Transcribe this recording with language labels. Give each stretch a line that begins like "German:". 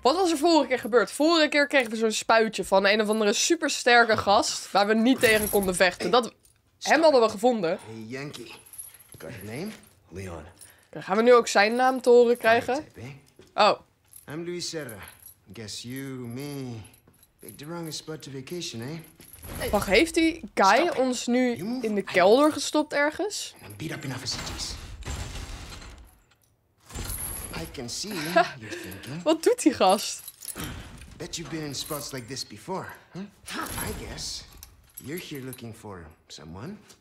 Dutch: Wat was er vorige keer gebeurd? Vorige keer kregen we zo'n spuitje van een of andere supersterke gast waar we niet tegen konden vechten. Dat hem hadden we gevonden.
English: Hey Yankee. Got your name? Leon.
Dutch: Dan gaan we nu ook zijn naam te horen krijgen? Oh.
English: I'm Luis Serra. Guess you, me. Pick the wrong spot to vacation, eh?
Dutch: Wacht, heeft die guy ons nu in de kelder gestopt ergens?
English: I'm beat up enough as it is. I can see you're thinking.
Dutch: Wat doet die gast?
English: Bet you've been in spots like this before, huh? I guess you're here looking for someone.